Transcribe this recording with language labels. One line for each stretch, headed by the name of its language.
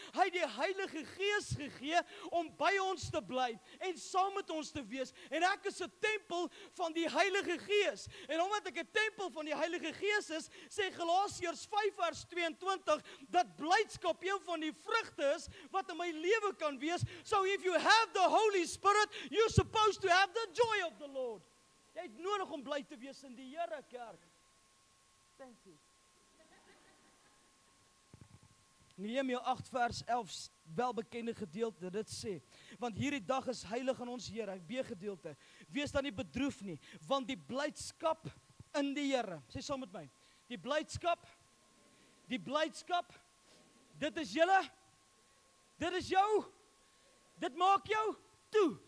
Afrikaans: Hy het die Heilige Gees gegee om by ons te bly en saam met ons te wees. En ek is 'n tempel van die Heilige Gees. En omdat ek 'n tempel van die Heilige Gees is, sê Galasiërs 5 vers 22, dat blydskap een van die vrugte is wat in my lewe kan wees.
English: So if you have the Holy Spirit, you're supposed to have the joy of the Lord.
Afrikaans: Jy het nodig om bly te wees in die Here, kerk.
English: Thank you.
Afrikaans: Nehemia 8 vers 11, welbekende gedeelte, dit sê, want hierdie dag is heilig aan ons Here, B-gedeelte, wees dan nie bedroef nie, want die blydskap in die Here, sê saam met my, die blydskap, dit is julle, dit is jou, dit maak jou toe.